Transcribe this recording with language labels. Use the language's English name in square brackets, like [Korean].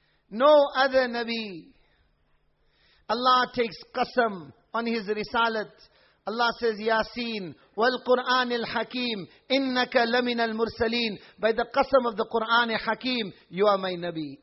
[English] No other Nabi. Allah takes qasam on his risalat. Allah says, [Arabic] Yasin, وَالْقُرْآنِ الْحَكِيمِ إِنَّكَ لَمِنَ الْمُرْسَلِينَ. [English] By the qasam of the Qur'an-i Hakim, you are my Nabi.